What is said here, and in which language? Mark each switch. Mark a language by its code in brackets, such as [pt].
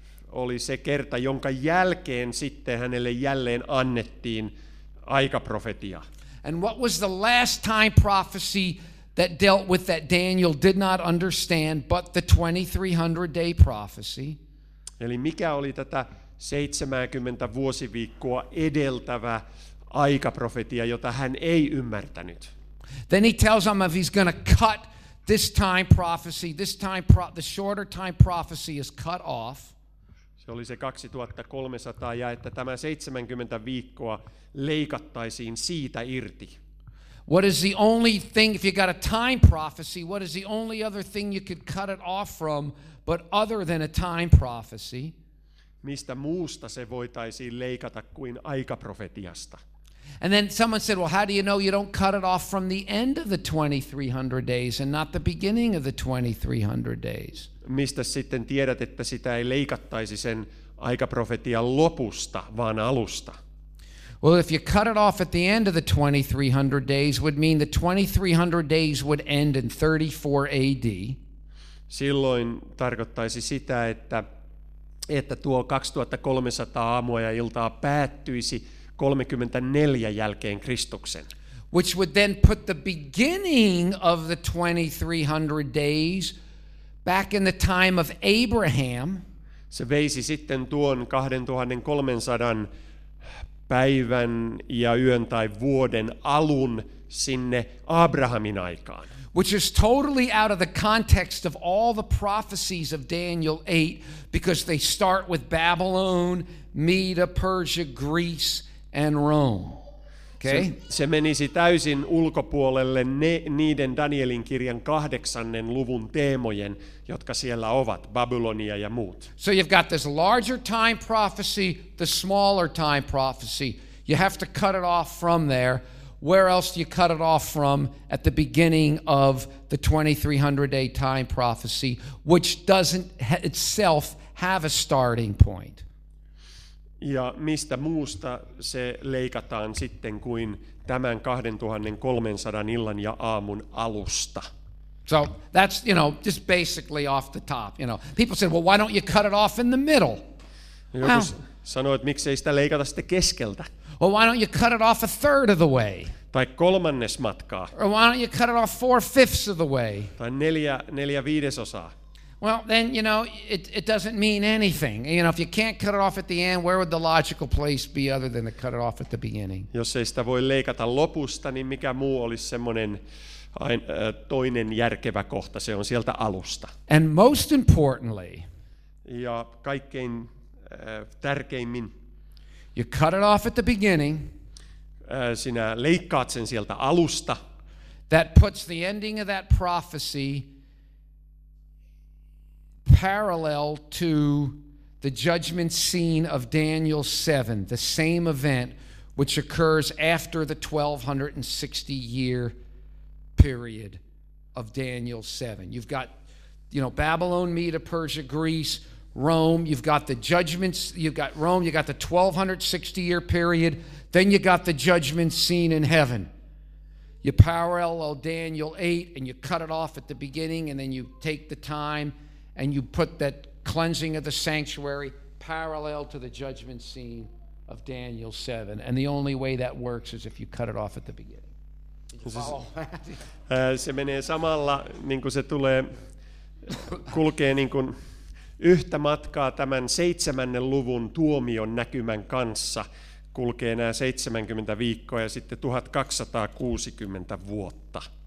[fi] Oli se kerta, jonka jälkeen sitten hänelle jälleen annettiin aikaprofetia. [en] And what was the last time prophecy that dealt with that Daniel did not understand, but the 2300 day prophecy? [fi] Eli mikä oli tätä 70 vuosiviikkoa edeltävä aikaprofetia, jota hän ei ymmärtänyt? [en] Then he tells him if he's going to cut this time prophecy, the shorter time prophecy is cut off. [fi] Se oli se 2300 ja että tämä 70 viikkoa leikattaisiin siitä irti. [en] What is the only thing, if you got a time prophecy, what is the only other thing you could cut it off from, but other than a time prophecy? [fi] Mistä muusta se voitaisiin leikata kuin aikaprofetiasta? [en] And then someone said, well, how do you know you don't cut it off from the end of the 2300 days and not the beginning of the 2300 days? [fi] Mistä sitten tiedät, että sitä ei leikattaisi sen aikaprofetian lopusta, vaan alusta? [en] Well, if you cut it off at the end of the 2300 days, would mean the 2300 days would end in 34 AD. [fi] Silloin tarkoittaisi sitä, että tuo 2300 aamua ja iltaa päättyisi 34 jälkeen Kristuksen. [en] Which would then put the beginning of the 2300 days back in the time of Abraham. [fi] Se veisi sitten tuon 2300 päivän ja yön tai vuoden alun sinne Abrahamin aikaan. [en] Which is totally out of the context of all the prophecies of Daniel 8 because they start with Babylon, Media, Persia, Greece and Rome. Okay? [fi] Se menisi täysin ulkopuolelle niiden Danielin kirjan 8. luvun teemojen, jotka siellä ovat, Babylonia ja muut. [en] So you've got this larger time prophecy, the smaller time prophecy. You have to cut it off from there. Where else do you cut it off from at the beginning of the 2300-day time prophecy, which doesn't itself have a starting point? [fi] Ja mistä muusta se leikataan sitten kuin tämän 2300 illan ja aamun alusta? [en] So that's, you know, just basically off the top, you know. People said, well, why don't you cut it off in the middle? [fi] Joku sanoi, että miksei sitä leikata sitten keskeltä. [en] Well, why don't you cut it off a third of the way? [fi] Tai kolmannes matkaa. [en] Or why don't you cut it off four fifths of the way? [fi] Tai neljä viidesosaa. [en] Well, then, you know, it doesn't mean anything. You know, if you can't cut it off at the end, where would the logical place be other than to cut it off at the beginning? [fi] Jos ei sitä voi leikata lopusta, niin mikä muu olisi semmoinen toinen järkevä kohta, se on sieltä alusta. [en] And most importantly, [fi] ja kaikkein tärkeimmin, [en] you cut it off at the beginning, [fi] sinä leikkaat sen sieltä alusta. [en] That puts the ending of that prophecy parallel to the judgment scene of Daniel 7, the same event which occurs after the 1260 year period of Daniel 7. You've got, you know, Babylon, Media, Persia, Greece, Rome, you've got the judgments, you've got Rome, you got the 1260 year period, then you got the judgment scene in heaven. You parallel Daniel 8 and you cut it off at the beginning, and then you take the time and you put that cleansing of the sanctuary parallel to the judgment scene of Daniel 7. And the only way that works is if you cut it off at the beginning. [fi] Se menee samalla, niin kuin se tulee, kulkee niin kuin yhtä matkaa tämän 7. luvun tuomion näkymän kanssa. Kulkee nämä 70 viikkoa ja sitten 1260 vuotta.